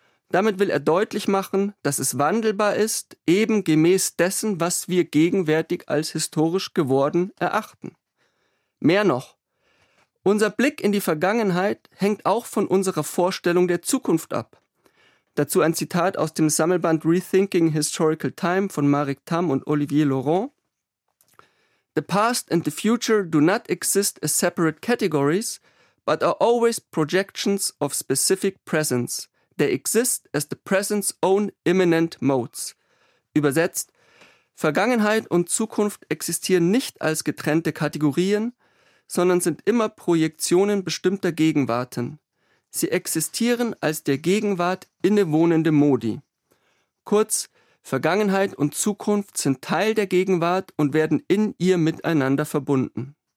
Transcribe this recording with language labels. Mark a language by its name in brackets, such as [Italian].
[German] Damit will er deutlich machen, dass es wandelbar ist, eben gemäß dessen, was wir gegenwärtig als historisch geworden erachten. Mehr noch, unser Blick in die Vergangenheit hängt auch von unserer Vorstellung der Zukunft ab. Dazu ein Zitat aus dem Sammelband Rethinking Historical Time von Marek Tam und Olivier Laurent. [English] The past and the future do not exist as separate categories, but are always projections of specific presence. They exist as the present's own immanent modes. [German] Übersetzt, Vergangenheit und Zukunft existieren nicht als getrennte Kategorien, sondern sind immer Projektionen bestimmter Gegenwarten. Sie existieren als der Gegenwart innewohnende Modi. Kurz, Vergangenheit und Zukunft sind Teil der Gegenwart und werden in ihr miteinander verbunden.